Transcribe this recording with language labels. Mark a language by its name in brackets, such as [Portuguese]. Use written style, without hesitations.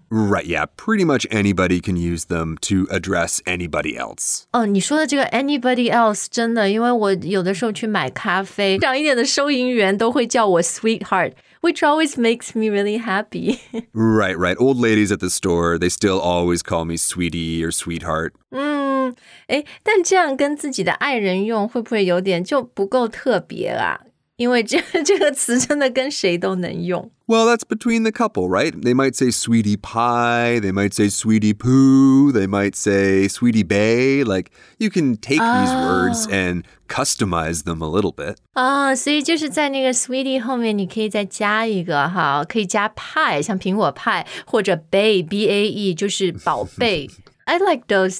[English] Right, yeah, pretty much anybody can use them to address anybody else. [Chinese] 哦，你说的这个 anybody else, 真的，因为我有的时候去买咖啡，长一点的收银员都会叫我 sweetheart, [English] which always makes me really happy. Right, right, old ladies at the store, they still always call me sweetie or sweetheart. [Chinese] 诶，但这样跟自己的爱人用会不会有点就不够特别啊？因为这个词真的跟谁都能用。 [English] Well, that's between the couple, right? They might say sweetie pie, they might say sweetie poo, they might say sweetie bae. Like, you can take these words and customize them a little bit. [Chinese] 哦，所以就是在那个 sweetie 后面你可以再加一个哈，可以加 pie, 像苹果派，或者 bae, B-A-E, 就是宝贝。 [English] I like those.